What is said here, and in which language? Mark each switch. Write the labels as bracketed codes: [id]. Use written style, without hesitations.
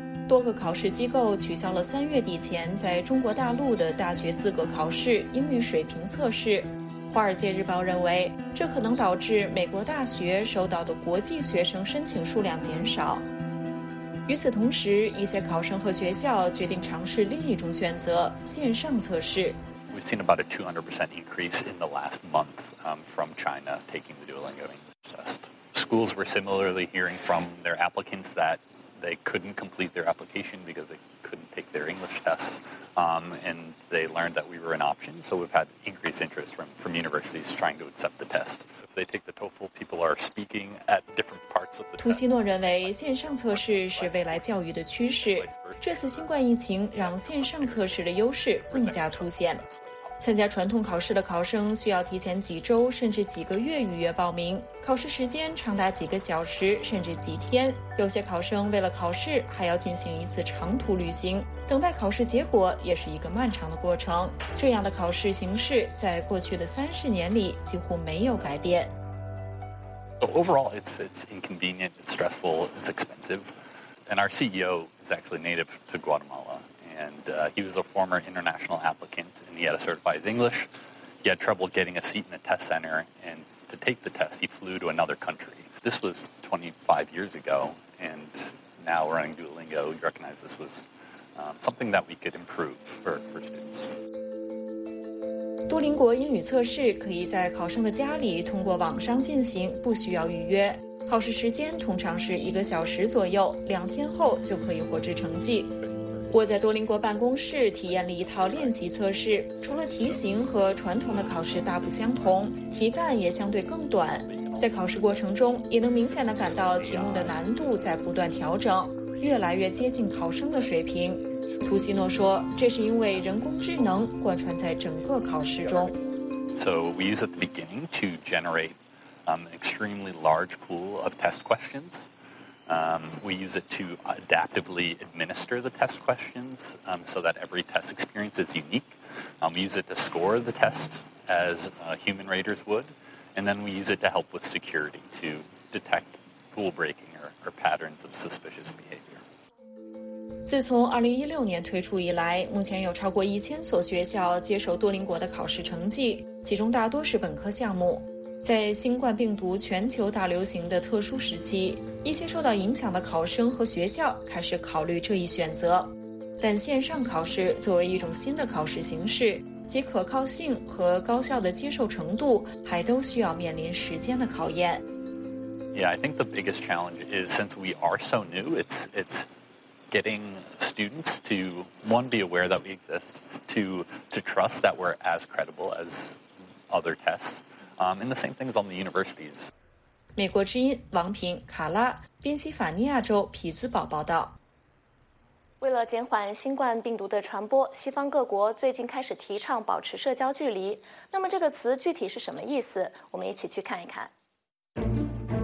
[zh] 多个考试机构取消了3月底前在中国大陆的大学资格考试英语水平测试。华尔街日报认为，这可能导致美国大学收到的国际学生申请数量减少。与此同时，一些考生和学校决定尝试另一种选择，线上测试。 [en] We've seen about a 200% increase in the last month, from China taking the Duolingo English test. Schools were similarly hearing from their applicants that. They couldn't complete their application because they couldn't take their English tests, and they learned that we were an option. So we've had increased interest from universities trying to accept the test. If they take the TOEFL, people are speaking at different parts of the test. [zh] 图西诺认为线上测试是未来教育的趋势，这次新冠疫情让线上测试的优势更加凸显。参加传统考试的考生需要提前几周甚至几个月预约报名，考试时间长达几个小时甚至几天，有些考生为了考试还要进行一次长途旅行，等待考试结果也是一个漫长的过程。这样的考试形式在过去的30年里几乎没有改变。 [en] So overall it's inconvenient, it's stressful, it's expensive, and our CEO is actually native to GuatemalaAnd he was a former international applicant, and he had a certified English. He had trouble getting a seat in a test center, and to take the test, he flew to another country. This was 25 years ago, and now we're on Duolingo. We recognize this was something that we could improve for students. [zh] 多邻国英语测试可以在考生的家里通过网上进行，不需要预约。考试时间通常是一个小时左右，两天后就可以获知成绩。我在多邻国办公室体验了一套练习测试，除了题型和传统的考试大不相同，题干也相对更短，在考试过程中也能明显地感到题目的难度在不断调整，越来越接近考生的水平。图西诺说，这是因为人工智能贯穿在整个考试中。 [en] So we use at the beginning to generate an extremely large pool of test questionsWe use it to adaptively administer the test questions so that every test experience is unique. We use it to score the test as human raters would. And then we use it to help with security to detect rule breaking or patterns of suspicious behavior. [zh] 自从2016年推出以来，目前有超过1000所学校接受多邻国的考试成绩，其中大多是本科项目。在新冠病毒全球大流行的特殊时期，一些受到影响的考生和学校开始考虑这一选择，但线上考试作为一种新的考试形式，其可靠性和高校的接受程度还都需要面临时间的考验。 [en] Yeah, I think the biggest challenge is since we are so new, it's getting students to one, be aware that we exist, to trust that we're as credible as other tests. And the same thing is on the universities. [zh] 美国之音王平卡拉宾夕法尼亚州匹兹堡报道。为了减缓新冠病毒的传播，西方各国最近开始提倡保持社交距离。那么这个词具体是什么意思？我们一起去看一看。